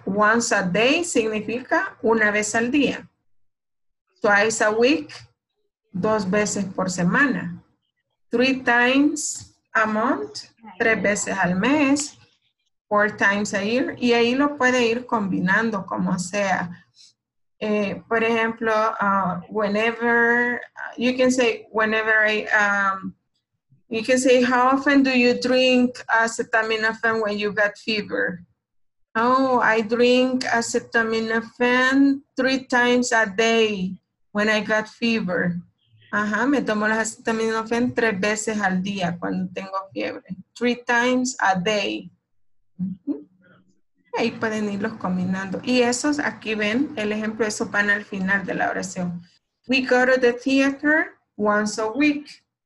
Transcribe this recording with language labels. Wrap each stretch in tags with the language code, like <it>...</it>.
<en>Once a day</en> <es>significa una vez al día.</es> <en>Twice a week,</en> <es>dos veces por semana.</es> <en>Three times a month,</en> <es>tres veces al mes.</es> <en>Four times a year,</en> <es>y ahí lo puede ir combinando como sea. Por ejemplo,</es> <en>whenever, you can say, whenever I, you can say, how often do you drink acetaminophen when you got fever? Oh, I drink acetaminophen three times a day when I got fever.</en> <es>Ajá, me tomo la</es> <en>acetaminophen</en> <es>tres veces al día cuando tengo fiebre.</es> <en>Three times a day.</en> <es>Ahí pueden irlos combinando. Y esos, aquí ven el ejemplo, esos van al final de la oración.</es> <en>We go to the theater once a week.</en>